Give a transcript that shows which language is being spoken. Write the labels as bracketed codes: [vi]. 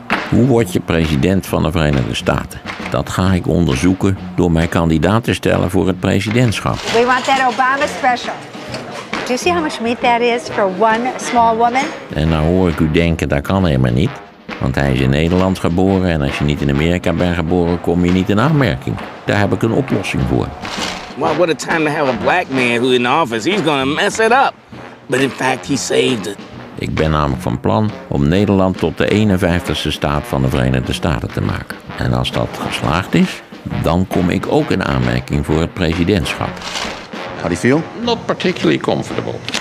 [nl] Hoe word je president van de Verenigde Staten? Dat ga ik onderzoeken door mijn kandidaat te stellen voor het presidentschap. [en] We want that Obama special. Do you see how much meat that is for one small woman? [nl] En dan hoor ik u denken, dat kan helemaal niet. Want hij is in Nederland geboren en als je niet in Amerika bent geboren, kom je niet in aanmerking. Daar heb ik een oplossing voor. [en] Well, what a time to have a black man who in office. He's gonna mess it up. But in fact, he saved it. [nl] Ik ben namelijk van plan om Nederland tot de 51ste staat van de Verenigde Staten te maken. En als dat geslaagd is, dan kom ik ook in aanmerking voor het presidentschap. [en] How do you feel? Not particularly comfortable.